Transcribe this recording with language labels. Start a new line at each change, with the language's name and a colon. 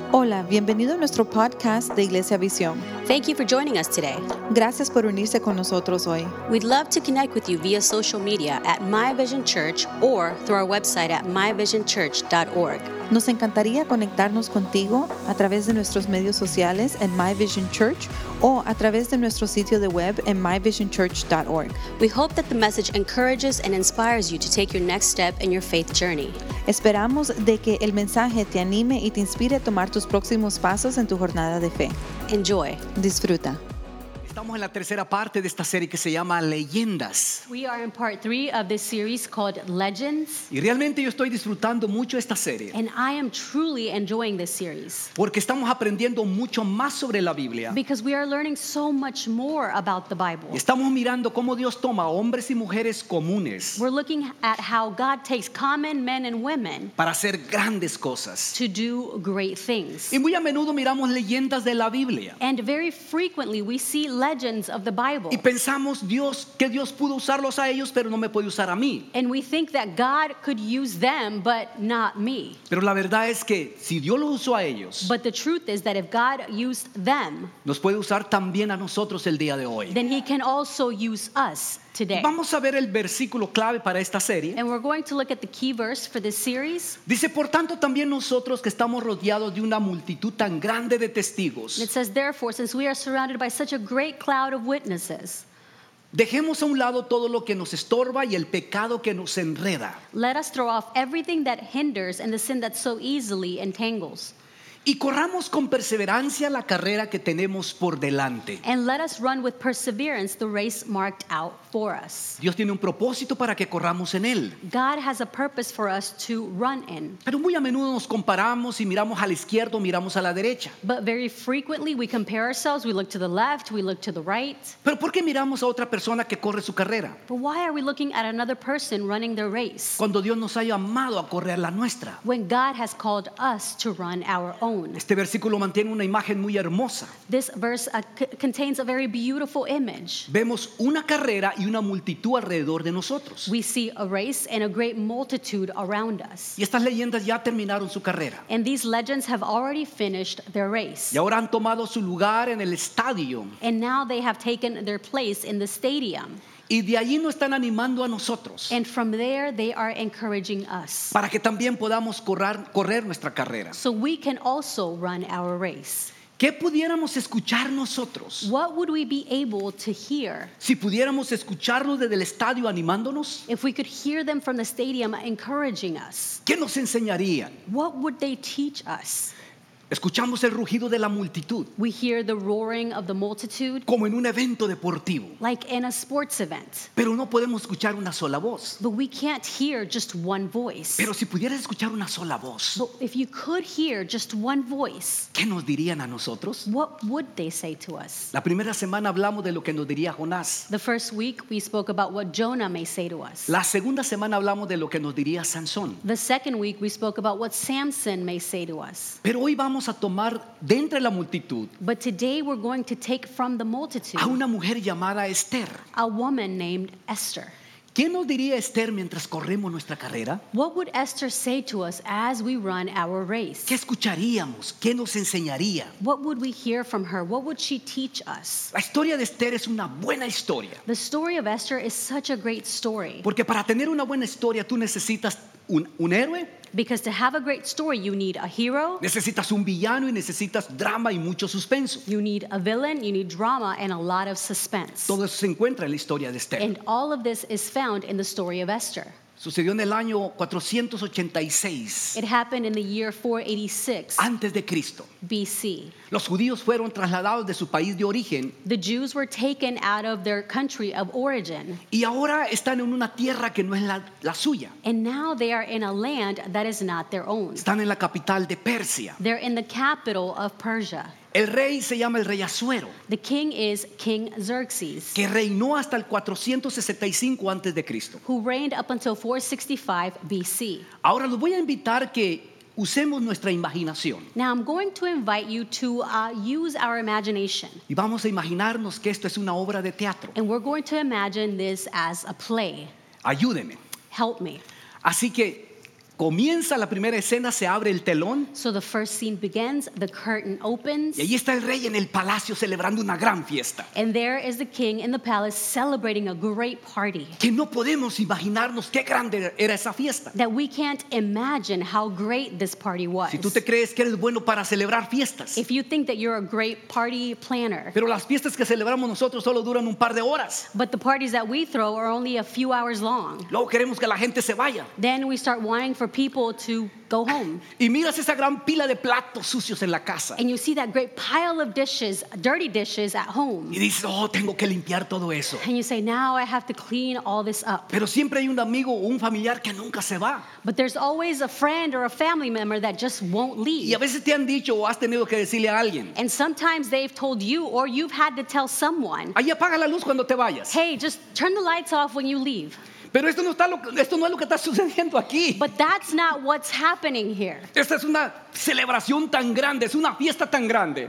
Spanish: Hola, bienvenido a nuestro podcast de Iglesia Visión.
English: Thank you for joining us today.
Spanish: Gracias por unirse con nosotros hoy.
English: We'd love to connect with you via social media at My Vision Church or through our website at myvisionchurch.org.
Spanish: Nos encantaría conectarnos contigo a través de nuestros medios sociales en My Vision Church o a través de nuestro sitio de web en myvisionchurch.org.
English: We hope that the message encourages and inspires you to take your next step in your faith journey.
Spanish: Esperamos de que el mensaje te anime y te inspire a tomar tus próximos pasos en tu jornada de fe.
English: Enjoy.
Spanish: Disfruta. Estamos en la tercera parte de esta serie que se llama Leyendas.
English: We are in part three of this series called Legends.
Spanish: Y realmente yo estoy disfrutando mucho esta serie.
English: And I am truly enjoying this series.
Spanish: Porque estamos aprendiendo mucho más sobre la Biblia.
English: Because we are learning so much more about the Bible.
Spanish: Y estamos mirando cómo Dios toma hombres y mujeres comunes.
English: We're looking at how God takes common men and women.
Spanish: Para hacer grandes cosas.
English: To do great things.
Spanish: Y muy a menudo miramos leyendas de la Biblia.
English: And very frequently we see legends of the Bible.
Spanish: Y pensamos que Dios pudo usarlos a ellos, pero no me puede usar a mí.
English: And we think that God could use them, but not me.
Spanish: Pero la verdad es que si Dios los usó a ellos,
English: but the truth is that if God used them,
Spanish: nos puede usar también a nosotros el día de hoy.
English: Then he can also use us today.
Spanish: Vamos a ver el versículo clave para esta serie.
English: And we're going to look at the key verse for this series.
Spanish: Dice, por tanto, también nosotros que estamos rodeados de una multitud tan grande de testigos.
English: It says, therefore, since we are surrounded by such a great cloud of witnesses.
Spanish: Dejemos a un lado todo lo que nos estorba y el pecado que nos enreda.
English: Let us throw off everything that hinders and the sin that so easily entangles.
Spanish: Y corramos con perseverancia la carrera que tenemos por delante.
English: And let us run with perseverance the race marked out for us.
Spanish: Dios tiene un propósito para que corramos en él.
English: God has a purpose for us to run in.
Spanish: Pero muy a menudo nos comparamos y miramos a la izquierda o miramos a la derecha.
English: But very frequently we compare ourselves, we look to the left, we look to the right.
Spanish: Pero ¿por qué miramos a otra persona que corre su carrera?
English: But why are we looking at another person running their race?
Spanish: Cuando Dios nos ha llamado a correr la nuestra.
English: When God has called us to run our own.
Spanish: Este versículo mantiene una imagen muy hermosa.
English: This verse contains a very beautiful image.
Spanish: Vemos una carrera y una multitud alrededor de nosotros.
English: We see a race and a great multitude around us.
Spanish: Y estas leyendas ya terminaron su carrera.
English: And these legends have already finished their race.
Spanish: Y ahora han tomado su lugar en el estadio.
English: And now they have taken their place in the stadium.
Spanish: Y de allí nos están animando a nosotros.
English: And from there they are encouraging us.
Spanish: Para que también podamos correr nuestra carrera.
English: So we can also run our race.
Spanish: ¿Qué pudiéramos escuchar nosotros?
English: What would we be able to hear?
Spanish: Si pudiéramos escucharlo desde el estadio animándonos.
English: If we could hear them from the stadium encouraging us.
Spanish: ¿Qué nos enseñarían?
English: What would they teach us?
Spanish: Escuchamos el rugido de la multitud.
English: We hear the roaring of the multitude.
Spanish: Como en un evento deportivo.
English: Like in a sports event.
Spanish: Pero no podemos escuchar una sola voz.
English: But we can't hear just one voice.
Spanish: Pero si pudieras escuchar una sola voz.
English: But if you could hear just one voice.
Spanish: ¿Qué nos dirían a nosotros?
English: What would they say to us?
Spanish: La primera semana hablamos de lo que nos diría Jonás.
English: The first week we spoke about what Jonah may say to us.
Spanish: La segunda semana hablamos de lo que nos diría Sansón.
English: The second week we spoke about what Samson may say to us.
Spanish: Pero hoy vamos a tomar de entre la multitud.
English: But today we're going to take from the multitude.
Spanish: A una mujer llamada Esther.
English: A woman named Esther.
Spanish: ¿Qué nos diría Esther mientras corremos nuestra carrera?
English: What would Esther say to us as we run our race?
Spanish: ¿Qué escucharíamos? ¿Qué nos enseñaría?
English: What would we hear from her? What would she teach us?
Spanish: La historia de Esther es una buena historia.
English: The story of Esther is such a great story.
Spanish: Porque para tener una buena historia tú necesitas un héroe.
English: Because to have a great story, you need a hero.
Spanish: Necesitas un villano y necesitas drama y mucho suspenso.
English: You need a villain, you need drama and a lot of suspense.
Spanish: Todo eso se encuentra en la historia de Esther.
English: And all of this is found in the story of Esther.
Spanish: Sucedió en el año 486.
English: It happened in the year 486.
Spanish: Antes de Cristo.
English: B.C.
Spanish: Los judíos fueron trasladados de su país de origen.
English: The Jews were taken out of their country of origin.
Spanish: Y ahora están en una tierra que no es la suya.
English: And now they are in a land that is not their own.
Spanish: Están en la capital de Persia.
English: They're in the capital of Persia.
Spanish: El rey se llama el rey Asuero.
English: The king is King Xerxes.
Spanish: Que reinó hasta el 465 antes de Cristo.
English: Who reigned up until 465 BC.
Spanish: Ahora los voy a invitar que usemos nuestra imaginación.
English: Now I'm going to invite you to use our imagination.
Spanish: Y vamos a imaginarnos que esto es una obra de teatro.
English: And we're going to imagine this as a play.
Spanish: Ayúdeme.
English: Help me.
Spanish: Así que comienza la primera escena, se abre el telón.
English: So the first scene begins, the curtain opens.
Spanish: Y ahí está el rey en el palacio celebrando una gran fiesta.
English: And there is the king in the palace celebrating a great party.
Spanish: Que no podemos imaginarnos qué grande era esa fiesta.
English: That we can't imagine how great this party was.
Spanish: Si tú te crees que eres bueno para celebrar fiestas.
English: If you think that you're a great party planner.
Spanish: Pero las fiestas que celebramos nosotros solo duran un par de horas.
English: But the parties that we throw are only a few hours long.
Spanish: Luego queremos que la gente se vaya.
English: Then we start wanting for people to go home.
Spanish: Y miras esa gran pila de platos sucios en la casa.
English: And you see that great pile of dishes, dirty dishes at home.
Spanish: Y dices, oh, tengo que limpiar todo eso.
English: And you say, now I have to clean all this up.
Spanish: Pero siempre hay un amigo o un familiar que nunca se va.
English: But there's always a friend or a family member that just won't leave.
Spanish: Y a veces te han dicho o has tenido que decirle a alguien.
English: And sometimes they've told you or you've had to tell someone.
Spanish: Ahí apaga la luz cuando te vayas.
English: Hey, just turn the lights off when you leave.
Spanish: Pero esto no es lo que está sucediendo aquí.
English: But that's not what's happening here.
Spanish: Esta es una celebración tan grande, es una fiesta tan grande.